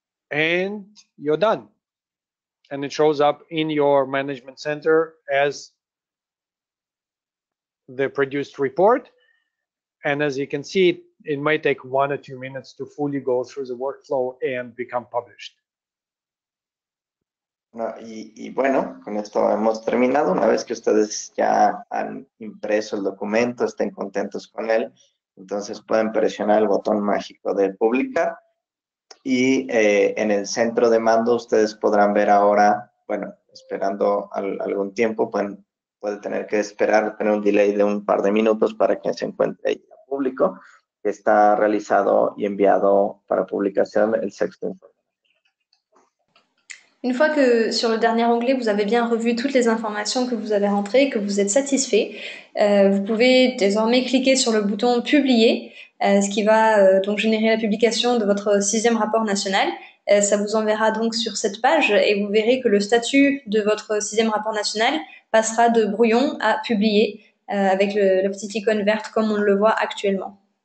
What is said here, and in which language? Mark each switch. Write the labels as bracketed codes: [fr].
[en] And you're done. And it shows up in your management center as the produced report, and as you can see, it might take 1 or 2 minutes to fully go through the workflow and become published. [es] No, y bueno, con esto hemos terminado. Una vez que ustedes ya han impreso el documento, estén contentos con él, entonces pueden presionar el botón mágico de publicar, y en el centro de mando ustedes podrán ver ahora, bueno, esperando algún tiempo, pueden puede tener que esperar, tener un delay de un par de minutos para que se encuentre ahí a público, que está realizado y enviado para publicación el sexto informe. [fr] Une fois que sur le dernier onglet, vous avez bien revu toutes les informations que vous avez rentrées et que vous êtes satisfait, vous pouvez désormais cliquer sur le bouton « Publier », ce qui va donc générer la publication de votre sixième rapport national. Ça vous enverra donc sur cette page et vous verrez que le statut de votre sixième rapport national passera de brouillon à publié avec la petite icône verte comme on le voit actuellement.